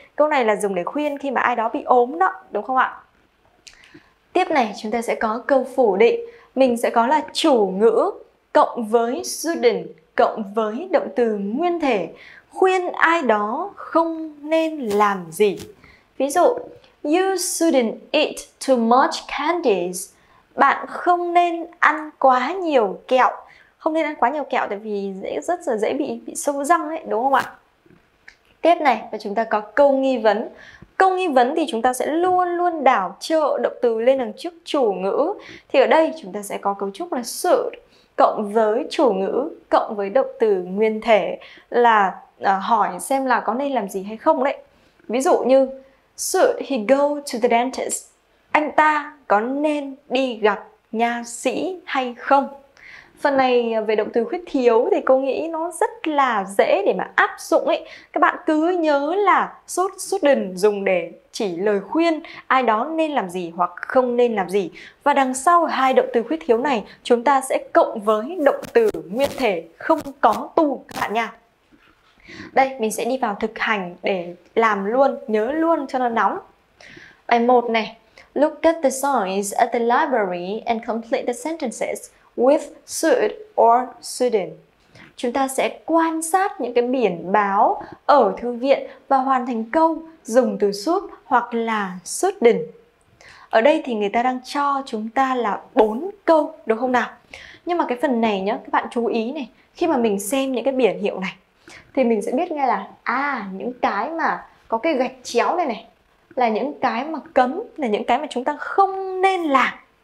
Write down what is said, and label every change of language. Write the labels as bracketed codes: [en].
[vi] Câu này là dùng để khuyên khi mà ai đó bị ốm đó, đúng không ạ? Tiếp này, chúng ta sẽ có câu phủ định. Mình sẽ có là chủ ngữ cộng với shouldn't cộng với động từ nguyên thể khuyên ai đó không nên làm gì. Ví dụ, [en] you shouldn't eat too much candies. [vi] Bạn không nên ăn quá nhiều kẹo. Không nên ăn quá nhiều kẹo tại vì rất dễ bị sâu răng ấy, đúng không ạ? Tiếp này, và chúng ta có câu nghi vấn. Câu nghi vấn thì chúng ta sẽ luôn luôn đảo trợ động từ lên đằng trước chủ ngữ. Thì ở đây chúng ta sẽ có cấu trúc là should cộng với chủ ngữ cộng với động từ nguyên thể là hỏi xem là có nên làm gì hay không đấy. Ví dụ như [en] should he go to the dentist? [vi] Anh ta có nên đi gặp nha sĩ hay không? Phần này về động từ khuyết thiếu thì cô nghĩ nó rất là dễ để mà áp dụng ấy. Các bạn cứ nhớ là shouldn't dùng để chỉ lời khuyên ai đó nên làm gì hoặc không nên làm gì. Và đằng sau hai động từ khuyết thiếu này chúng ta sẽ cộng với động từ nguyên thể không có to các bạn nha. Đây, mình sẽ đi vào thực hành để làm luôn, nhớ luôn cho nó nóng. Bài 1 này. [en] Look at the signs at the library and complete the sentences with should or shouldn't. [vi] Chúng ta sẽ quan sát những cái biển báo ở thư viện và hoàn thành câu dùng từ should hoặc là shouldn't. Ở đây thì người ta đang cho chúng ta là 4 câu, đúng không nào? Nhưng mà cái phần này nhá, các bạn chú ý này, khi mà mình xem những cái biển hiệu này thì mình sẽ biết ngay là những cái mà có cái gạch chéo này này là những cái mà cấm, là những cái mà chúng ta không nên làm.